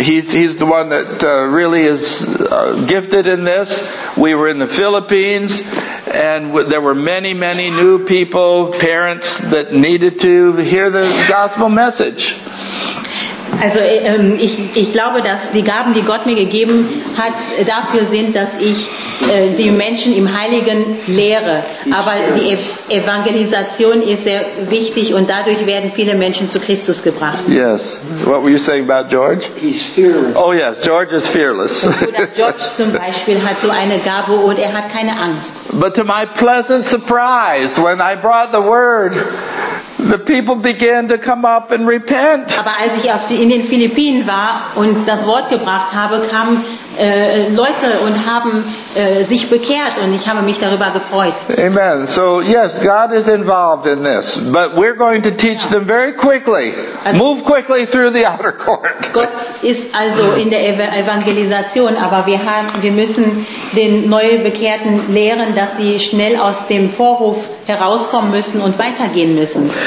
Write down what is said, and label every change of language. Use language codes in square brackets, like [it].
[en] He's the one that really is gifted in this. We were in the Philippines, and there were many, many new people, parents that needed to hear the gospel message. [de] Also ich glaube, dass die Gaben, die Gott mir gegeben hat, dafür sind, dass ich die Menschen im Heiligen lehre. Aber die Evangelisation ist sehr wichtig und dadurch werden viele Menschen zu Christus gebracht. [en] Yes. What were you saying about George? He's fearless. Oh yes, George is fearless. [de] George zum Beispiel hat so eine Gabe und er hat keine Angst. [en] But to my pleasant surprise, when I brought the word, the people began to come up and repent. [de] Aber als ich in den Philippinen war und das Wort gebracht habe, kamen Leute und haben sich bekehrt und ich habe mich darüber gefreut. Amen. [en] So yes, God is involved in this, but we're going to teach them very quickly. Also, move quickly through the outer court. [de] Gott ist also in der Evangelisation, aber wir müssen den neu Bekehrten lehren, dass sie schnell aus dem Vorhof herauskommen müssen und weitergehen müssen.